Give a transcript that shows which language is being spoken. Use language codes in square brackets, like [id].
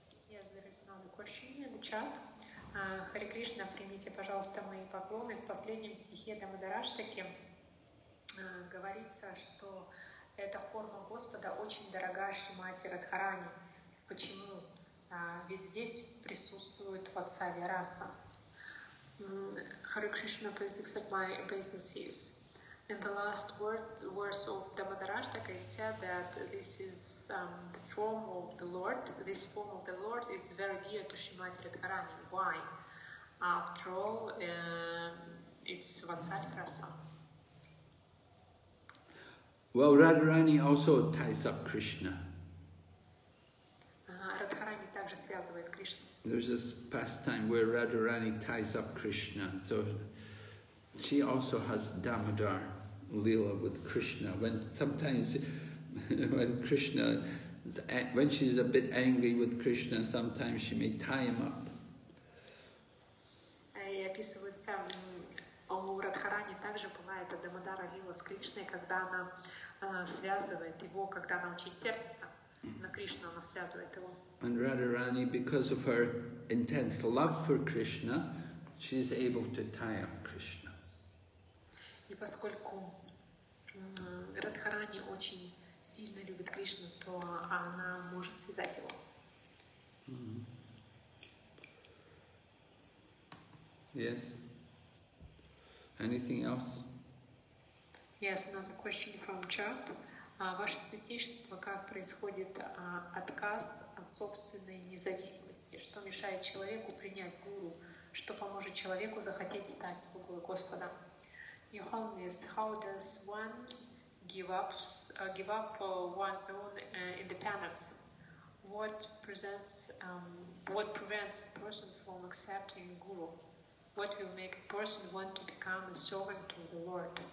[en] Yes, there is another question in the chat. [ru] Hare Krishna, примите, пожалуйста, мои поклоны. В последнем стихе Дамодараштаки говорится, что эта форма Господа очень дорога Шримати Радхарани. Почему? Ведь здесь присутствует Ватсалья Раса. [en] Hare Krishna, please accept my obeisances. In the last verse of Dhammadharashtaka, it said that this is the form of the Lord. This form of the Lord is very dear to Srimati Radharani. Why? After all, it's Vatsalya Rasa. Well, Radharani also ties up Krishna. [ru] Radharani также связывает Кришну. [en] There's this pastime where Radharani ties up Krishna. So she also has Dhammadhar. Lila with Krishna. When she's a bit angry with Krishna, sometimes she may tie him up. [ru] И описывается у Радхарани также была эта Дамодара Лила с Кришной, когда она связывает его, когда она очень сердится на Кришну, она связывает его. [en] And Radharani, because of her intense love for Krishna, she's able to tie up Krishna. [ru] И поскольку Радхарани очень сильно любит Кришну, то она может связать его. Mm-hmm. [en] Yes. Anything else? Yes, another question from chat. [ru] Ваше святейшество, как происходит отказ от собственной независимости? Что мешает человеку принять гуру? Что поможет человеку захотеть стать слугой Господа? [en] Your Holiness, how does one give up one's own independence? What prevents a person from accepting Guru? What will make a person want to become a servant to the Lord?